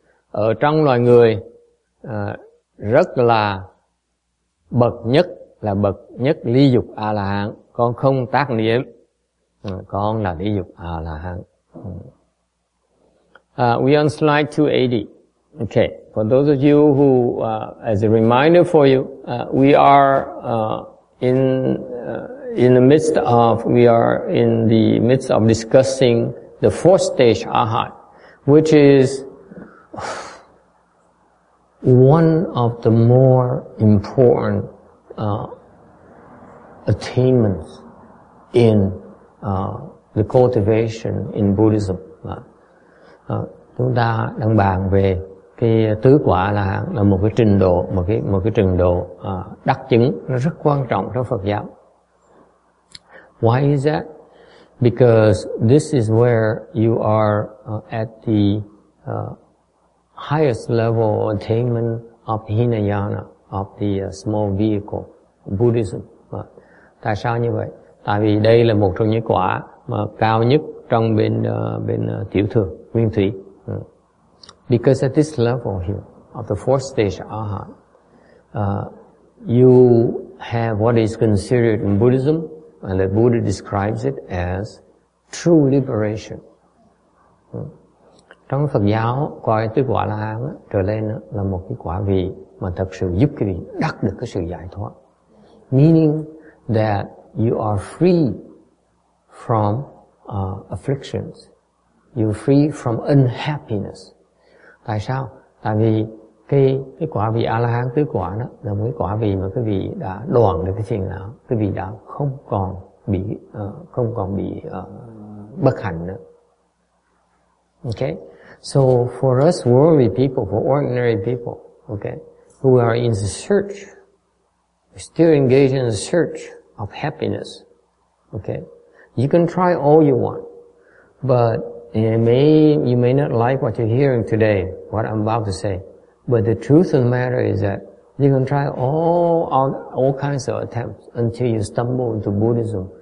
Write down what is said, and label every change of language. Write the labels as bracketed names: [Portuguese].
[Vietnamese] Ở trong loài người rất là bậc nhất ly dục A-la-hán. Con không tác niệm, con là ly dục A-la-hán. [English] We on slide 280. Okay, for those of you who, as a reminder for you, we are in the midst of discussing the fourth stage Arhat, which is one of the more important attainments in the cultivation in Buddhism. [Vietnamese] Chúng ta đang bàn về cái tứ quả là một cái trình độ đắc chứng nó rất quan trọng trong Phật giáo. [English] Why is that? Because this is where you are at the highest level of attainment of Hinayana, of the small vehicle, Buddhism. [Vietnamese] Tại sao như vậy? Tại vì đây là một trong những quả mà cao nhất trong bên bên tiểu thừa nguyên thủy. [English] Because at this level here of the fourth stage Arhat, you have what is considered in Buddhism, and the Buddha describes it as true liberation. [Vietnamese] Trong Phật giáo coi tứ quả la hán trở lên là một cái quả vị mà thật sự giúp cái vị đắc được cái sự giải thoát. [English] Meaning that you are free from afflictions. You're free from unhappiness. [Vietnamese] Tại sao? Tại vì cái quả vị A-la-hán tứ quả đó là một cái quả vị mà quý vị đã đoạn được cái phiền não, quý vị đã không còn bị bất hạnh nữa. [English] Okay, so for us worldly people, for ordinary people, okay, who are in the search, still engaged in the search of happiness, okay, you can try all you want, but you may not like what you're hearing today, what I'm about to say, but the truth of the matter is that you can try all kinds of attempts until you stumble into Buddhism.